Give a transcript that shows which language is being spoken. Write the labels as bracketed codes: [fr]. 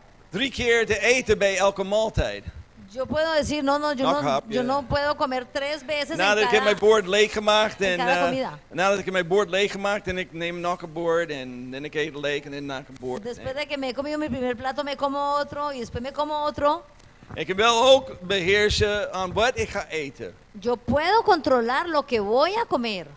[nl] Drie keer te eten bij elke maaltijd. [es] Yo puedo decir, no puedo comer 3 veces en cada... [nl] Ik heb mijn bord leeggemaakt en... Nadat ik heb mijn bord leeggemaakt en ik neem nog een bord en ik eet leeg en dan nog een bord. [es] Después de que me he comido mi primer plato, me como otro y después me como otro. [nl] Ik kan wel ook beheersen aan wat ik ga eten. [es] Yo puedo controlar lo que voy a comer.